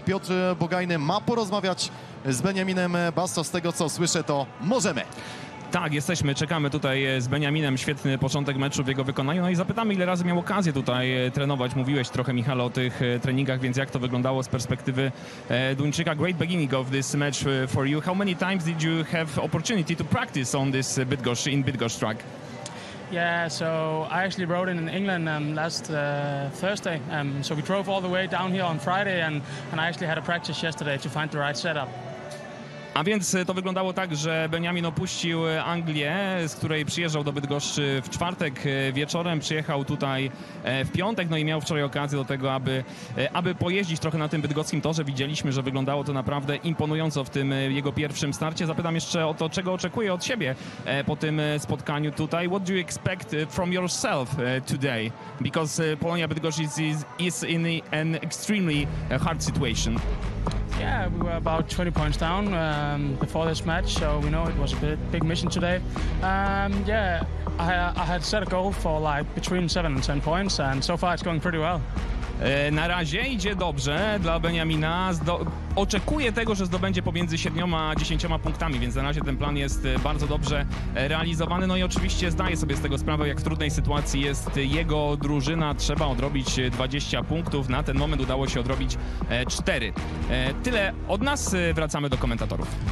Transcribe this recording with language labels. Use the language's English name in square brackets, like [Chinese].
[Polish] Piotr Bogajny ma porozmawiać z Benjaminem Basso. Z tego, co słyszę, to możemy. Tak, jesteśmy, czekamy tutaj z Beniaminem, świetny początek meczu w jego wykonaniu. No i zapytamy, ile razy miał okazję tutaj trenować. Mówiłeś trochę, Michale, o tych treningach, więc jak to wyglądało z perspektywy Duńczyka? [English] Great beginning of this match for you. How many times did you have opportunity to practice on this Bydgoszcz, in Bydgoszcz track? Yeah, so I actually rode in England last Thursday. So we drove all the way down here on Friday and I actually had a practice yesterday to find the right setup. [Polish] A więc to wyglądało tak, że Beniamin opuścił Anglię, z której przyjeżdżał do Bydgoszczy w czwartek wieczorem, przyjechał tutaj w piątek, no i miał wczoraj okazję do tego, aby pojeździć trochę na tym bydgoskim torze. Widzieliśmy, że wyglądało to naprawdę imponująco w tym jego pierwszym starcie. Zapytam jeszcze o to, czego oczekuje od siebie po tym spotkaniu tutaj. [English] What do you expect from yourself today? Because Polonia Bydgoszcz is in an extremely hard situation. Yeah, we were about 20 points down before this match, so we know it was a big mission today. I had set a goal for like between 7 and 10 points and so far it's going pretty well. [Polish] Na razie idzie dobrze dla Beniamina. Oczekuje tego, że zdobędzie pomiędzy 7 a 10 punktami, więc na razie ten plan jest bardzo dobrze realizowany. No i oczywiście zdaje sobie z tego sprawę, jak w trudnej sytuacji jest jego drużyna. Trzeba odrobić 20 punktów. Na ten moment udało się odrobić 4. Tyle od nas. Wracamy do komentatorów.